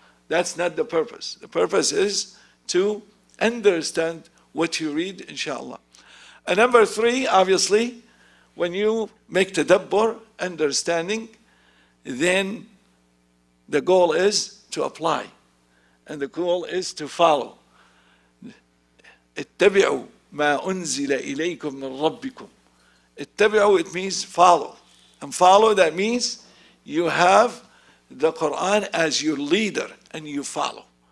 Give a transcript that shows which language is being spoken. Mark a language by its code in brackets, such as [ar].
[en] That's not the purpose. The purpose is to understand what you read, inshallah. And number three, obviously, when you make tadabbur, understanding, then the goal is to apply, and the goal is to follow. [ar] اتبعوا ما أنزل إليكم من ربكم. [en] اتبعوا, it means follow. And follow, that means you have the Quran as your leader and you follow.